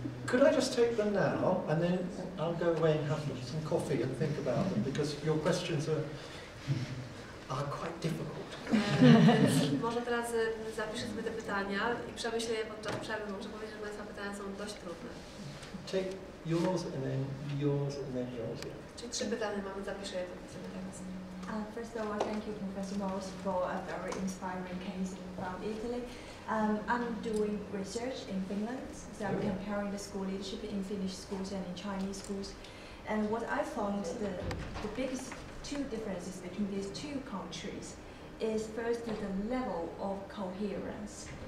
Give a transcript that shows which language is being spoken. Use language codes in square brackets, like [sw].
[en] Could I just take them now, and then I'll go away and have some coffee and think about them, because your questions are quite difficult. [pl] Może teraz zapiszę sobie te pytania i przemyślę je podczas przerwy. Muszę powiedzieć, że Państwa pytania są dość trudne. [en] Take yours and then yours and then yours. [pl] Czyli trzy pytania mamy, zapiszę je sobie teraz. [en] First of all, thank you, Professor Morris, for a very inspiring case from Italy. I'm doing research in Finland, so I'm comparing the school leadership in Finnish schools and in Chinese schools. And what I found the biggest two differences between these two countries is first the level of coherence.